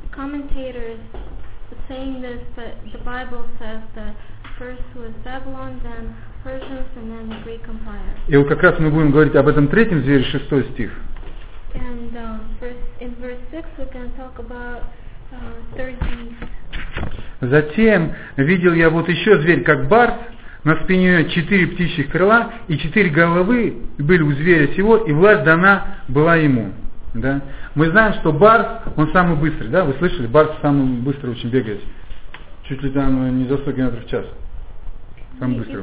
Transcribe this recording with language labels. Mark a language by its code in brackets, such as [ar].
[en] Commentators saying this, but the Bible says that first was Babylon, then Persians, and then the Greek Empire. [ru] И вот как раз мы будем говорить об этом третьем звере, шестой стих. [en] And in verse 6 we can talk about third beast. [ru] Затем видел я вот еще зверь, как барс, на спине ее четыре птичьих крыла, и четыре головы были у зверя сего, и власть дана была ему. Да? Мы знаем, что барс, он самый быстрый, да, вы слышали, барс самый быстрый очень бегает, чуть ли там не за 100 км в час, самый быстрый.